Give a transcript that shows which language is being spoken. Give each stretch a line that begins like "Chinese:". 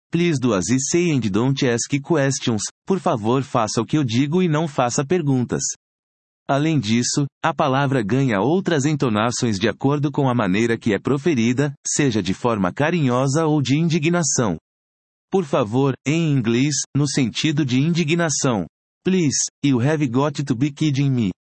English: Please do as I say and don't ask questions.
Portuguese: Por favor, faça o que eu digo e não faça perguntas. Além disso, a palavra ganha outras entonações de acordo com a maneira que é proferida, seja de forma carinhosa ou de indignação. Por favor, em inglês, no sentido de indignação.
English: Please, you have got to be kidding me.